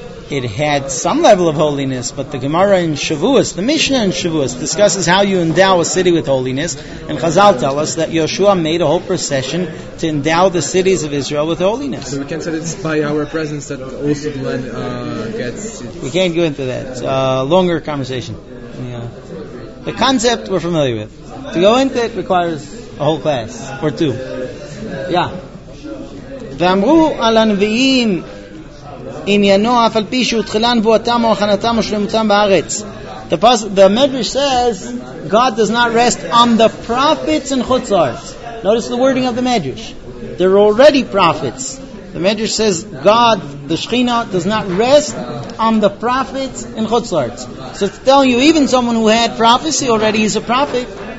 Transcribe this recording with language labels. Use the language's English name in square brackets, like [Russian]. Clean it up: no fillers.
[English] It had some level of holiness, but the Gemara in Shavuos, the Mishnah in Shavuos, discusses how you endow a city with holiness, and Chazal tell us that Yehoshua made a whole procession to endow the cities of Israel with holiness. So we can say that it's by our presence that also the land gets... We can't go into that. It's a longer conversation. Yeah. The concept we're familiar with. To go into it requires a whole class, or two. Yeah. [Hebrew] ואמרו על הנביאים עניינו אף על פי שהוא תחילה נבואתם או הכנתם או שלמותם בארץ. [English] The Medrash says God does not rest on the prophets in Chutz Lartz. Notice the wording of the Medrash. They're already prophets. The Medrash says God, the Shekhinah, does not rest on the prophets in Chutz Lartz. So it's telling you even someone who had prophecy already is a prophet.